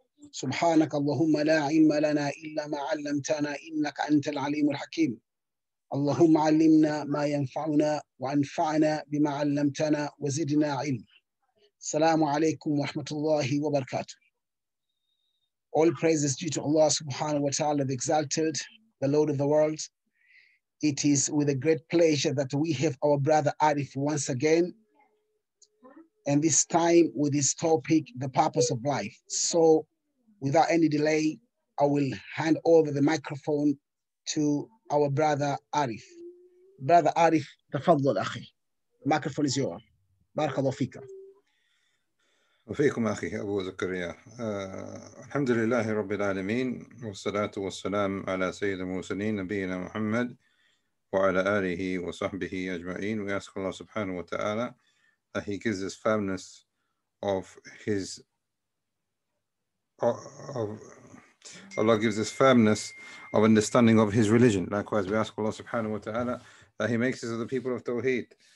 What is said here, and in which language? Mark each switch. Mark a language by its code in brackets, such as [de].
[ar] سبحانك اللهم لا علم لنا إلا ما علمتنا، إنك أنت العليم الحكيم. اللهم علمنا ما ينفعنا، وأنفعنا بما علمتنا، وزدنا علما. السلام عليكم ورحمة الله وبركاته. [en] All praise is due to Allah subhanahu wa ta'ala, the exalted, the Lord of the world. It is with a great pleasure that we have our brother Ariff once again, and this time with his topic, the purpose of life. So without any delay, I will hand over the microphone to our brother Ariff. Brother Ariff, [ar] tafaddal akhi. [en] The microphone is yours. [ar] Barakallahu fika. وفيكم أخي أبو زكريا. الحمد لله رب العالمين، والصلاة والسلام على سيد المرسلين نبينا محمد وعلى آله وصحبه أجمعين. [en] We ask Allah subhanahu wa ta'ala that he gives us firmness of his Allah gives us firmness of understanding of his religion. Likewise, we ask Allah subhanahu wa ta'ala that he makes us of the people of Tawheed.